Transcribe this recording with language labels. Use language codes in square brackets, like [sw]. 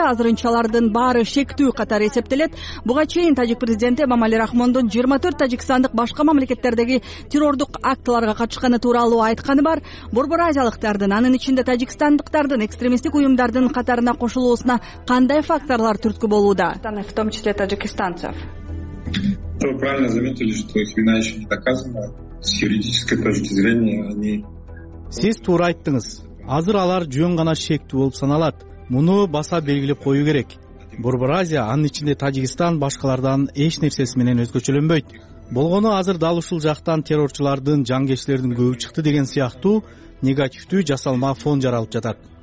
[ky] Азырынчалардын баары шектүү катары эсептелет. Буга чейин тажик президенти Мамали Рахмондун 24 тажикстандык башка мамлекеттердеги террордук актыларга катышканы тууралуу айтканы бар. Борбор азиялыктардын, анын ичинде тажикстандыктардын экстремисттик уюмдардын катарына кошулуусуна кандай факторлор түрткү болууда? [ru] В том числе таджикистанцев. Вы правильно заметили, что их вина еще не доказана. С юридической точки зрения они... [ky] Сиз туура айттыңыз. Азыр алар жөн гана шектүү болуп саналат. Муну баса белгилеп коюу керек. Борбор Азия, анын ичинде Тажикстан башкалардан эч нерсеси менен өзгөчөлөнбөйт. Болгону азыр дал ушул жактан террорчулардын, жангечилердин көбү чыкты деген сыяктуу негативдүү жасалма фон жаралып жатат.